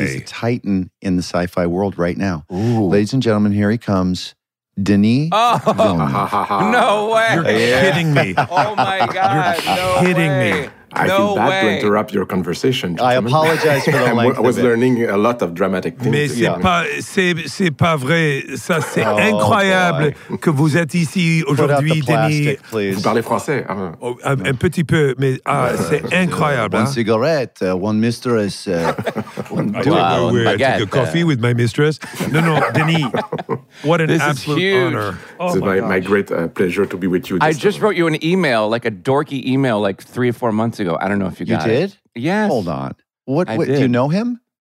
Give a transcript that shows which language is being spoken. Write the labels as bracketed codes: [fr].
[en] He's a titan in the sci-fi world right now. Ooh. Ladies and gentlemen, here he comes. Denis. Oh. No way. You're kidding me. Oh, my God. You're kidding me. I feel bad to interrupt your conversation. I apologize for the length I was learning a lot of dramatic things. [fr] Mais c'est pas vrai. Ça, c'est incroyable que vous êtes ici aujourd'hui, Denis. [en] Please. [fr] Vous parlez français. Un petit peu, mais c'est incroyable. [en] One cigarette, one mistress. I took a coffee with my mistress. No, Denis, what an absolute huge. Honor. Oh, this is my great pleasure to be with you. I just wrote you an email, like a dorky email, like 3 or 4 months ago. I don't know if you got it. You did? It. Yes. Hold on. What do you know him?